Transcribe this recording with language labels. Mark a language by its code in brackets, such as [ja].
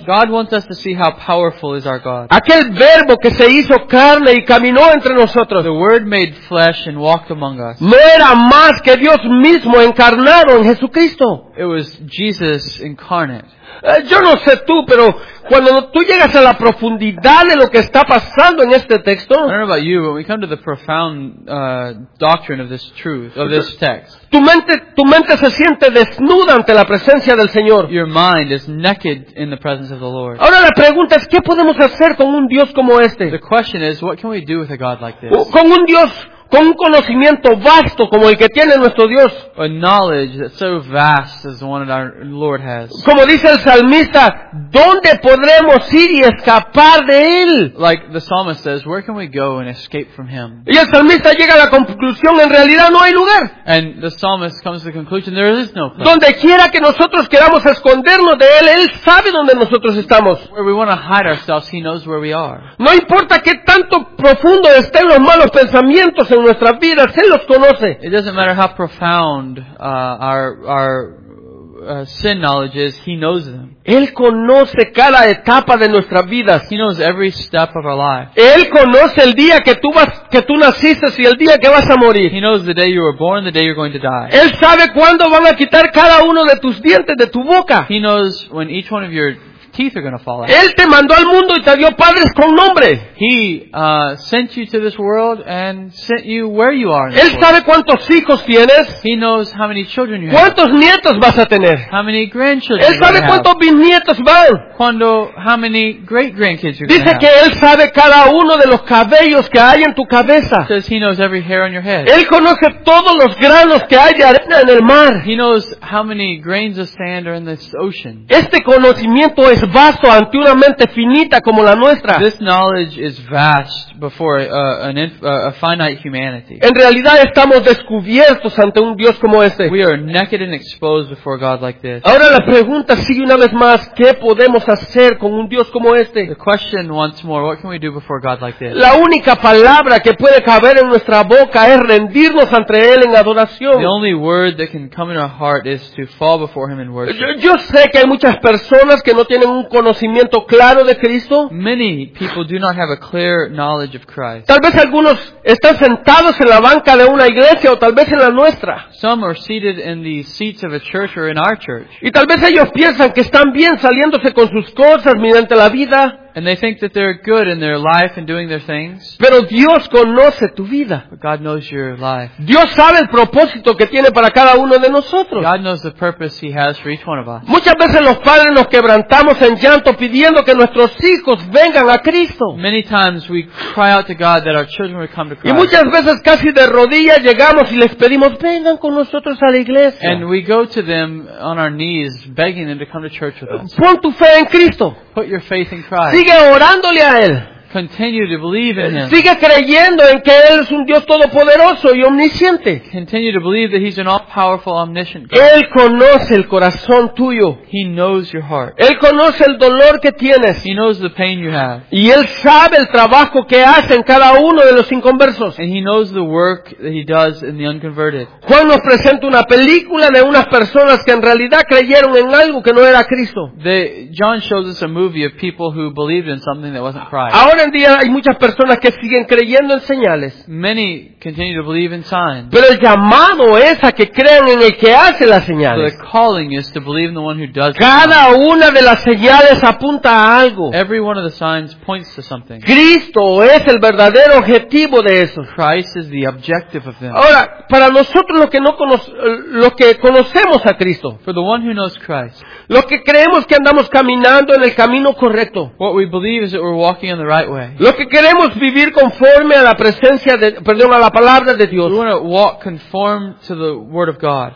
[en] God wants us to see how powerful is our God. [es] Aquel verbo que se hizo carne y caminó entre nosotros. [en] The word made flesh and walked among us. [es] No era más que Dios mismo encarnado en Jesucristo. [en] It was Jesus incarnate. [es] Yo no sé tú, pero cuando tú llegas a la profundidad de lo que está pasando en este texto, [en] I don't know about you, but we come to the profound doctrine of this truth, of this text. [es] Tu mente se siente desnuda ante la presencia del Señor. [en] Your mind is naked in the presence of the Lord. [es] Ahora la pregunta es, ¿qué podemos hacer con un Dios como este? [en] The question is, what can we do with a God like this? [es] Con un Dios con un conocimiento vasto como el que tiene nuestro Dios. [en] A knowledge that's so vast as the one that our Lord has. [es] Como dice el salmista, ¿dónde podremos ir y escapar de él? [en] Like the psalmist says, where can we go and escape from him? [es] Y el salmista llega a la conclusión, en realidad no hay lugar. [en] And the psalmist comes to the conclusion, there is no place. [es] Donde quiera que nosotros queramos escondernos de él, él sabe dónde nosotros estamos. [en] Where we want to hide ourselves, he knows where we are. [es] No importa qué tanto profundo estén los malos pensamientos en nuestra vida, Él los conoce. [en] It doesn't matter how profound our sin knowledge is, He knows them. [es] Él conoce cada etapa de nuestras vidas. [en] He knows every step of our life. [es] Él conoce el día que tú naciste y el día que vas a morir. [en] He knows the day you were born and the day you're going to die. [es] Él sabe cuándo van a quitar cada uno de tus dientes de tu boca. [en] He knows when each one of your teeth are going to fall out. [es] Él te mandó al mundo y te dio padres con nombre. [en] He sent you to this world and sent you where you are. [es] Él sabe cuántos hijos tienes. [en] He knows how many children you [es] ¿cuántos [en] have. [es] ¿Cuántos nietos vas a tener? [en] How many grandchildren [es] Él sabe cuántos bisnietos van. Cuando, [en] how many great grandkids you're [es] Dice [en] gonna have. [es] Que Él sabe cada uno de los cabellos que hay en tu cabeza. [en] Says he knows every hair on your head. [es] Él conoce todos los granos que hay de arena en el mar. [en] He knows how many grains of sand are in this ocean. [es] Este conocimiento es vasto ante una mente finita como la nuestra. [en] This knowledge is vast before a finite humanity. [es] En realidad estamos descubiertos ante un Dios como este. [en] We are naked and exposed before a God like this. [es] Ahora la pregunta sigue una vez más, ¿qué podemos hacer con un Dios como este? [en] The question once more, what can we do before a God like this? [es] La única palabra que puede caber en nuestra boca es rendirnos ante él en adoración. [en] The only word that can come in our heart is to fall before him in worship. [es] Yo sé que hay muchas personas que no tienen un conocimiento claro de Cristo. [en] Many people do not have a clear knowledge of Christ. [es] Tal vez algunos están sentados en la banca de una iglesia o tal vez en la nuestra. [en] Some are seated in the seats of a church or in our church. [es] Y tal vez ellos piensan que están bien saliéndose con sus cosas mediante la vida. [en] And they think that they're good in their life and doing their things. [es] Pero Dios conoce tu vida. [en] But God knows your life. [es] Dios sabe el propósito que tiene para cada uno de nosotros. [en] God knows the purpose He has for each one of us. [es] Muchas veces los padres nos quebrantamos en llanto pidiendo que nuestros hijos vengan a Cristo. [en] Many times we cry out to God that our children would come to Christ. [es] Y muchas veces casi de rodillas llegamos y les pedimos vengan con nosotros a la iglesia. [en] And we go to them on our knees begging them to come to church with us. [es] Pon tu fe en Cristo. [en] Put your faith in Christ. [es] Sigue orándole a Él. [en] Continue to believe in Him. [es] Sigue creyendo en que Él es un Dios todopoderoso y omnisciente. [en] Continue to believe that He's an all-powerful, omniscient God. [es] Él conoce el corazón tuyo. [en] He knows your heart. [es] Él conoce el dolor que tienes. [en] He knows the pain you have. [es] Y Él sabe el trabajo que hace en cada uno de los inconversos. [en] And He knows the work that He does in the unconverted. [es] Juan nos presenta una película de unas personas que en realidad creyeron en algo que no era Cristo. [en] John shows us a movie of people who believed in something that wasn't Christ. [es] Hoy en día hay muchas personas que siguen creyendo en señales. [en] Many continue to believe in signs. [es] Pero el llamado es a que crean en el que hace las señales. [en] The calling is to believe in the one who does. [es] Cada una de las señales apunta a algo. [en] Every one of the signs points to something. [es] Cristo es el verdadero objetivo de eso. [en] Christ is the objective of them. [es] Ahora, para nosotros los que conocemos a Cristo, [en] for the one who knows Christ, [es] los que creemos que andamos caminando en el camino correcto, [en] what we believe is that we're walking in the right way. [es] Lo que queremos vivir conforme a la presencia de, perdón, a la palabra de Dios. [en] We want to walk conform to the word of God.